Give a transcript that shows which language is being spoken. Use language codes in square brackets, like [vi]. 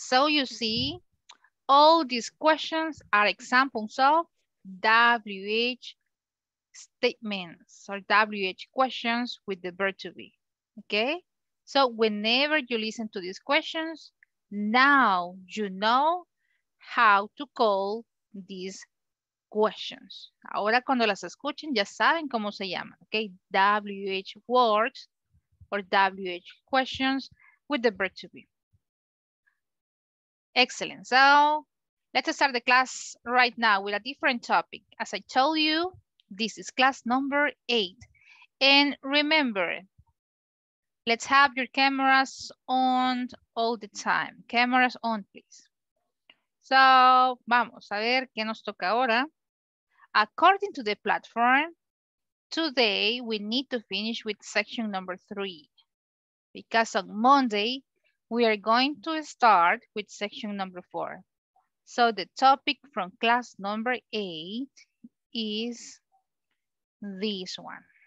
[en] So you see, all these questions are examples of WH statements or WH questions with the verb to be. Okay, so whenever you listen to these questions, now you know how to call these questions. [es] Ahora cuando las escuchen, ya saben cómo se llaman. [en] Okay, WH words or WH questions with the verb to be. Excellent. So let's start the class right now with a different topic. As I told you, this is class number 8. And remember, let's have your cameras on all the time. Cameras on, please. [es] So, vamos a ver qué nos toca ahora. [en] According to the platform, today we need to finish with section number 3. Because on Monday, we are going to start with section number 4. So the topic from class number 8 is this one.